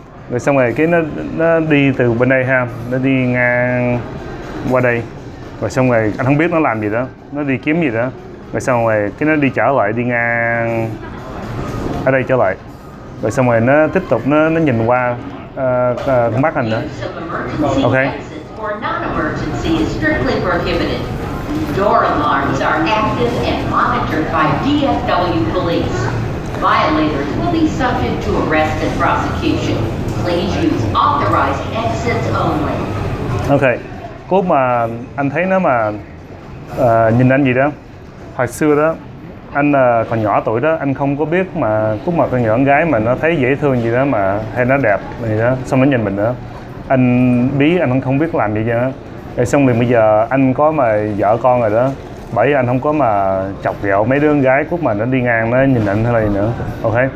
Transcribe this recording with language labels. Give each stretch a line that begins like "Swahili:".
Vietnamese: Rồi xong rồi cái nó đi từ bên đây ha, nó đi ngang qua đây, rồi xong rồi anh không biết nó làm gì đó, nó đi kiếm gì đó. Rồi xong rồi cái nó đi trở lại, đi ngang ở đây trở lại, rồi xong rồi nó tiếp tục nó nhìn qua mắt anh nữa. Ok.
English: For non-emergency is strictly prohibited. Door alarms are active and monitored by DFW police. Violators will be subject to arrest and prosecution. Please use authorized exits only. Okay.
Vietnamese: Cốt mà anh thấy nó mà nhìn anh gì đó. Hồi xưa đó anh còn nhỏ tuổi đó, anh không có biết mà cốt mà con nhỏ con gái mà nó thấy dễ thương gì đó mà hay nó đẹp gì đó, xong nó nhìn mình nữa. Anh không biết làm gì vậy. Xong liền bây giờ anh có mà vợ con rồi đó, bởi anh không có mà chọc ghẹo mấy đứa con gái cốt mà nó đi ngang nó nhìn anh thế này nữa. Ok.